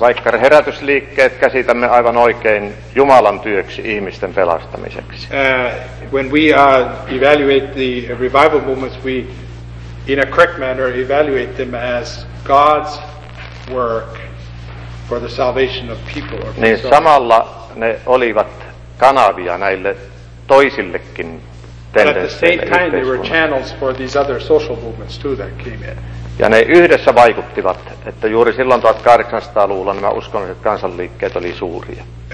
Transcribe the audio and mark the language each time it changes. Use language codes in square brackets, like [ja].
[fi] Vaikka herätysliikkeet käsitämme aivan oikein Jumalan työksi ihmisten pelastamiseksi. [en] When we evaluate the revival movements, we in a correct manner evaluate them as God's work for the salvation of people. Or [fi] niin samalla ne olivat kanavia näille toisillekin tendensseille. Ja ne yhdessä vaikuttivat, että juuri silloin 1800-luvulla nämä uskonnolliset kansanliikkeet oli suuria.